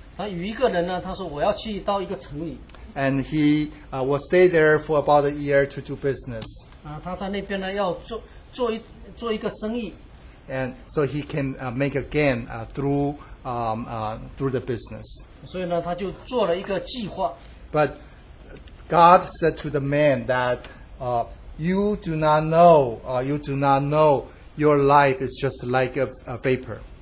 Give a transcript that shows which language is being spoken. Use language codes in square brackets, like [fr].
[zh] 在雅各书那边讲到呢，有一个人呢，他说我要去到一个城里。 [en] And he will stay there for about a year to do business. [zh] 他在那边呢要做一个生意。 [en] And so he can make a gain through the business. [zh] 所以呢，他就做了一个计划。 [en] But God said to the man that you do not know your life is just like a vapor.